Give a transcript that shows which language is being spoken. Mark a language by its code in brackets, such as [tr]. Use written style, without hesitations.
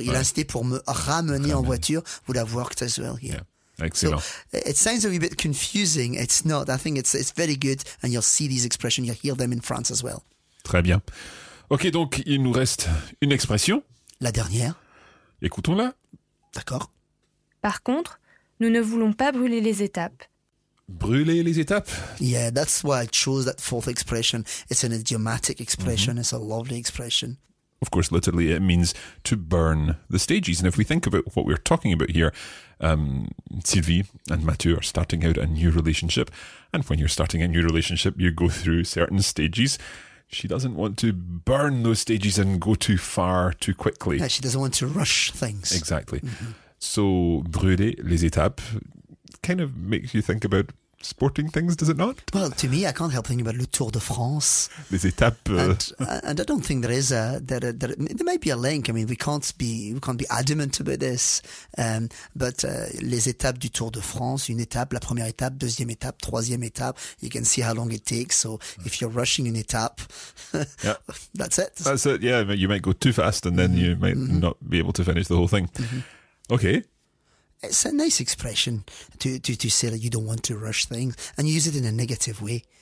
[fr] Il a insisté pour me ramener en voiture. [en] Would have worked as well here. Yeah. Excellent. So it sounds a bit confusing. It's not. I think it's very good. And you'll see these expressions. You'll hear them in France as well. [fr] Très bien. Ok, donc il nous reste une expression. La dernière. Écoutons-la. D'accord. Par contre... Nous ne voulons pas brûler les étapes. brûler les étapes. [en] Yeah, that's why I chose that fourth expression. It's an idiomatic expression. Mm-hmm. It's a lovely expression. Of course, literally, it means to burn the stages. And if we think about what we're talking about here, Sylvie and Mathieu are starting out a new relationship. And when you're starting a new relationship, you go through certain stages. She doesn't want to burn those stages and go too far too quickly. Yeah, she doesn't want to rush things. Exactly. Mm-hmm. So, brûler les étapes kind of makes you think about sporting things, does it not? Well, to me, I can't help thinking about le Tour de France. [fr] Les étapes. [en] And I don't think there is a... There might be a link. I mean, we can't be adamant about this. [fr] Les étapes du Tour de France, une étape, la première étape, deuxième étape, troisième étape. [en] You can see how long it takes. So if you're rushing an étape, that's it. That's it, yeah. You might go too fast and then you might not be able to finish the whole thing. Mm-hmm. Okay. It's a nice expression to say that you don't want to rush things, and you use it in a negative way.